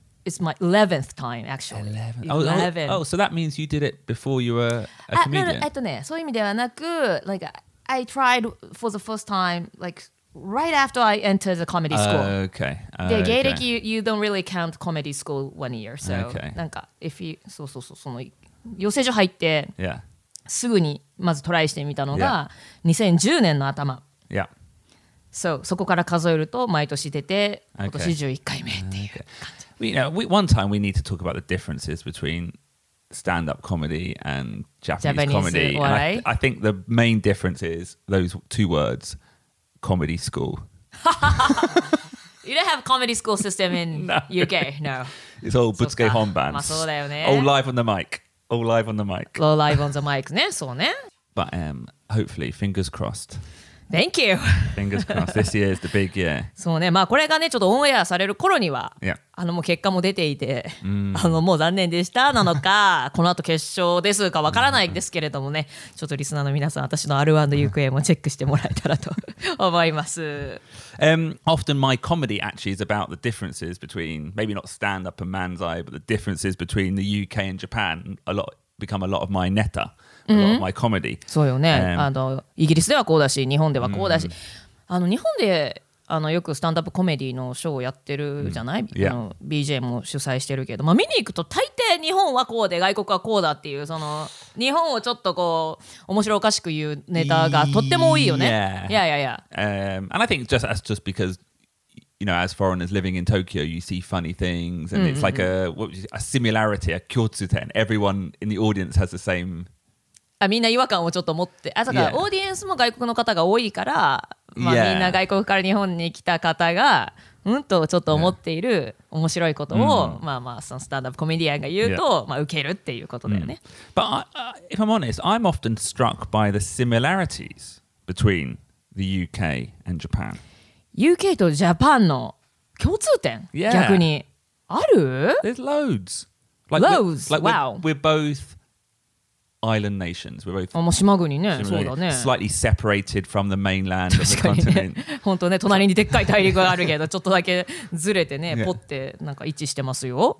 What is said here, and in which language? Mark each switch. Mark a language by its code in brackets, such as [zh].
[en] It's my 11th time, actually. 11. Oh, so that means you did it before you were a comedian? [ja] そういう意味ではなく、 [en] like, I tried for the first time, like, right after I entered the comedy school. Okay. で、芸歴、you don't really count comedy school 1 year. So, なんか、if you... [ja] そうそうそう、その、養成所入って、すぐにまずトライしてみたのが、2010年の頭。 [en] Yeah. [ja] So, そこから数えると毎年出て、今年11回目っていう感じ。 [en] Okay. Well, you know, one time we need to talk about the differences between stand-up comedy and Japanese comedy. Why? I think the main difference is those two words, comedy school. You don't have comedy school system in no. UK, no. It's all [ja] butsuke honban. まあそうだよね。 [en] All live on the mic. All live on the mic. All live on the mic, [ja] ね、そうね。 [en] But hopefully, fingers crossed. Thank you. Fingers crossed. This year is the big year. [ja] そうね。まあこれがね、ちょっとオンエアされる頃には、 [en] yeah. [ja] あのもう結果も出ていて、もう残念でしたなのか、この後決勝ですかわからないですけれどもね、ちょっとリスナーの皆さん、私の R1 の行方もチェックしてもらえたらと思います。 [en] Often my comedy actually is about the differences between, maybe not stand-up and man's eye, but the differences between the UK and Japan a lot, become a lot of my netta. My comedy. [ja] そうよね。あのイギリスではこうだし、日本ではこうだし、あの日本であのよくスタンダップコメディのショーをやってるじゃない、 [en] yeah. [ja] あの BJ も主催してるけど、まあ、見に行くと大抵日本はこうで外国はこうだっていう、その日本をちょっとこう面白おかしく言うネタがとっても多いよね。 [en] Yeah, yeah, yeah. And I think just becauseYou know, as foreigners living in Tokyo, you see funny things, and it's like a similarity, a kyotsuten. Everyone in the audience has the same. [ja] あ、みんな違和感をちょっと持って、あ、だから、yeah. オーディエンスも外国の方が多いから、まあ、yeah. みんな外国から日本に来た方が、うんとちょっと思っている面白いことを、yeah. まあまあ、そのスタンダップコメディアンが言うと、yeah. まあ、受けるっていうことだよね。 [en] But if I'm honest, I'm often struck by the similarities between the UK and Japan. [ja] UK とジャパンの共通点、 [en] yeah. [ja] 逆にある [en] There's loads. Like loads, like wow. We're both island nations. We're both [ja] 島国ね、そうだね。 [en] Slightly separated from the mainland of the continent. [ja] 確かにね、本当ね、隣にでっかい大陸があるけど、ちょっとだけずれてね、ポッてなんか位置してますよ。